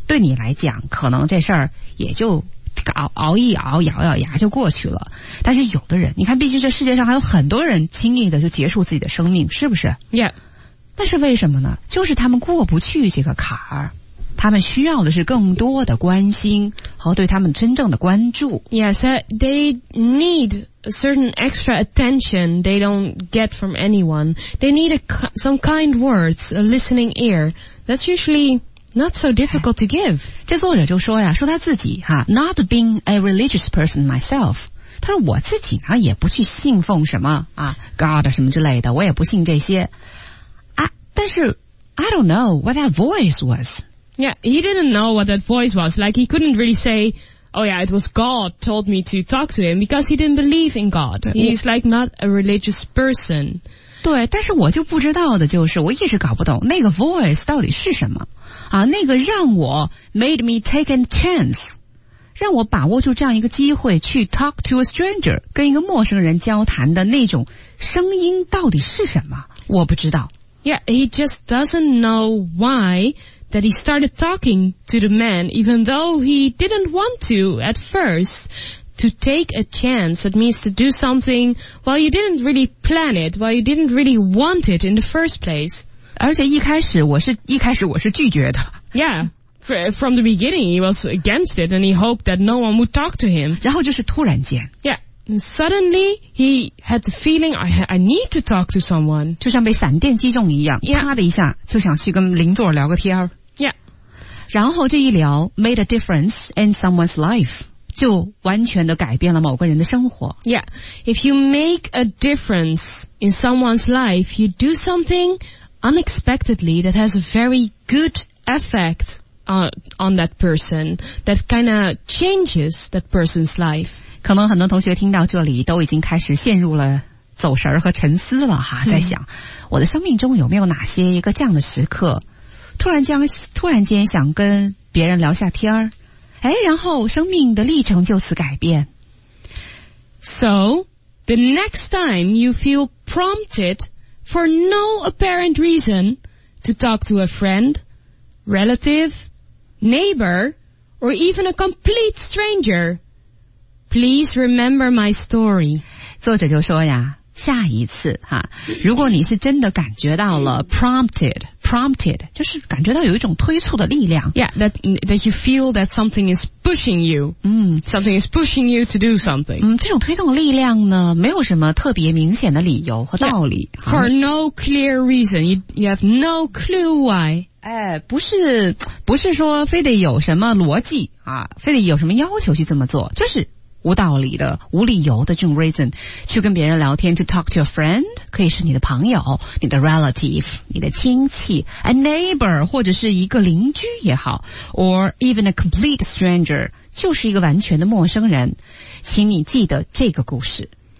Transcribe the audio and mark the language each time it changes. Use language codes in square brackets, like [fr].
[zh] 对你来讲，可能这事儿也就熬一熬，咬咬牙就过去了。但是有的人，你看，毕竟这世界上还有很多人轻易的就结束自己的生命，是不是 [en] ？Yeah， [zh] 那是为什么呢？就是他们过不去这个坎儿。他们需要的是更多的关心和对他们真正的关注。 [en] Yes, they need a certain extra attention they don't get from anyone. They need some kind words, a listening ear. That's usually not so difficult to give. [zh] 这作者就说呀，说他自己哈 ， [en] not being a religious person myself. [zh] 他说我自己呢也不去信奉什么啊 God 什么之类的，我也不信这些啊。但是 [en] I don't know what that voice was. Yeah, he didn't know what that voice was. Like, he couldn't really say, oh yeah, it was God told me to talk to him because he didn't believe in God. He's like not a religious person. [zh] 对，但是我就不知道的就是，我一直搞不懂那个 voice 到底是什么。啊，那个让我 [en] made me take a chance, [zh] 让我把握住这样一个机会去 [en] talk to a stranger, [zh] 跟一个陌生人交谈的那种声音到底是什么，我不知道。 [en] Yeah, he just doesn't know why... That he started talking to the man, even though he didn't want to at first, to take a chance. That means to do something, well, you didn't really plan it, well, you didn't really want it in the first place. [zh] 而且一开始我是拒绝的。 [en] Yeah, from the beginning, he was against it, and he hoped that no one would talk to him. [zh] 然后就是突然间。 [en] Yeah. And suddenly, he had the feeling, I need to talk to someone. [zh] 就像被闪电击中一样、 [en] yeah. [zh] 啪的一下就想去跟邻座聊个天。 [en] Yeah. [zh] 然后这一聊 [en] made a difference in someone's life. [zh] 就完全的改变了某个人的生活。 [en] Yeah. If you make a difference in someone's life, you do something unexpectedly that has a very good effect on that person. That kind of changes that person's life. [zh] 可能很多同学听到这里都已经开始陷入了走神和沉思了哈，在想、嗯、我的生命中有没有哪些一个这样的时刻，突然间想跟别人聊下天儿，哎，然后生命的历程就此改变。 [en] So, the next time you feel prompted for no apparent reason to talk to a friend, relative, neighbor, or even a complete stranger,Please remember my story. [zh] 作者就说呀，下一次哈，如果你是真的感觉到了 prompted, 就是感觉到有一种推促的力量。 [en] Yeah, that you feel that something is pushing you. 嗯 ,something is pushing you to do something. [zh] 嗯，这种推动力量呢，没有什么特别明显的理由和道理。 [en] Yeah, for no clear reason, you have no clue why. [zh] 哎，不是说非得有什么逻辑啊，非得有什么要求去这么做，就是无道理的、无理由的这种 reason 去跟别人聊天 ， [en] to talk to your friend [zh] 可以是你的朋友、你的 relative、你的亲戚 ， [en] a neighbor [zh] 或者是一个邻居也好 ， [en] or even a complete stranger [zh] 就是一个完全的陌生人，请你记得这个故事。